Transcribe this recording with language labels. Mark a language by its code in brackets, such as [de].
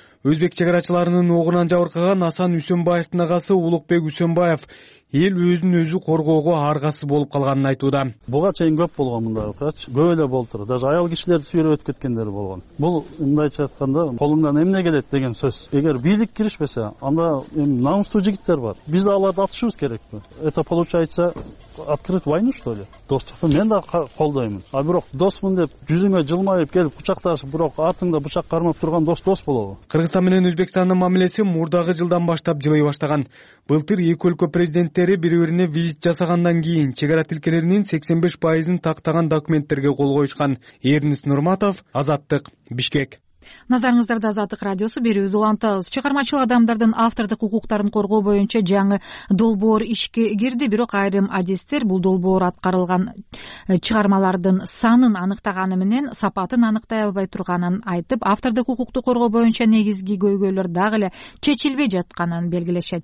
[ky] Өзбек чек арачыларынын огунан жабыркаган Асан Үсөнбаевдин агасы Улукбек Үсөнбаев эл өзүн өзү коргоого аргасыз болуп калганын айтууда. Буга чейин көп болгон мындай окуячы, көп эле болуптур. Даже аял кишилерди сүйрөп өтүп кеткендер болгон. Бул мындайча айтканда колуңдан эмне келет деген сөз. Эгер бийлик киришпесе, анда эми намыстуу жигиттер бар. Биз аларды атышыбыз керекпи? [ru] Это получается открыт войну, что ли? [ky] Достукту мен да колдоймун. А бирок достмун деп жүзүңө жылмайып келип кучакташып, бирок артыңда бычак кармап турган дост дос болобу? Кыргызстан менен Өзбекстандын мамилеси мурдагы жылдан баштап жылый баштаган. Былтыр эки өлкө президенттери бири-бирине визит жасагандан кийин чек ара тилкелеринин 85% тактаган документтерге кол коюшкан. Эрнис Нурматов, Азаттык, Бишкек. Назарыңыздарда Азаттык радиосу берүүбүздү улантабыз. Чыгармачыл адамдардын автордук укуктарын коргоо боюнча жаңы долбоор ишке кирди, бирок айрым адистер бул долбоор аткарылган чыгармалардын санын аныктаганы менен сапатын аныктай албай турганын айтып, автордук укукту коргоо боюнча негизги көйгөйлөр дагы эле чечилбей жатканын белгилешет.